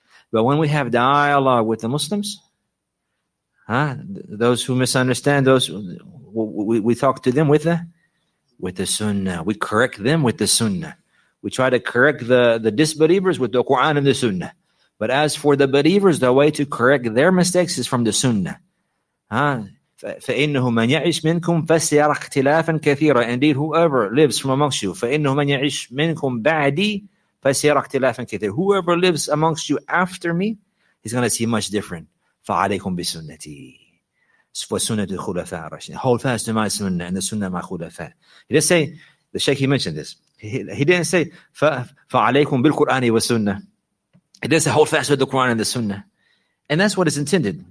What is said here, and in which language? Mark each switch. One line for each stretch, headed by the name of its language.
English: But when we have dialogue with the Muslims, those who misunderstand, those we talk to them with the Sunnah. We correct them with the Sunnah. We try to correct the disbelievers with the Quran and the Sunnah. But as for the believers, the way to correct their mistakes is from the Sunnah.
Arabic: فَإِنَّهُ مَنْ يَعِشْ مِنْكُمْ فَسْيَرَ اخْتِلَافًا كَثِيرًا.
English: Indeed, whoever lives from amongst you,
Arabic: فَإِنَّهُ مَنْ يَعِشْ مِنْكُمْ بَعْدِي فَسْيَرَ اخْتِلَافًا كَثِيرًا.
English: Whoever lives amongst you after me, he's going to see much different.
Arabic: فَعَلَيْكُمْ بِسُنَّتِي. فَسُنَّةُ الْخُلَفَاء الرَّاشِدِينَ.
English: Hold fast to my Sunnah and the Sunnah my Khulafa. He didn't say, the Shaykh, he mentioned this. He didn't say
Arabic: فَعَلَيْكُمْ بِالْقُرْآنِ وَالسُّنَّةِ.
English: He didn't say hold fast to the Quran and the Sunnah. And that's what is intended.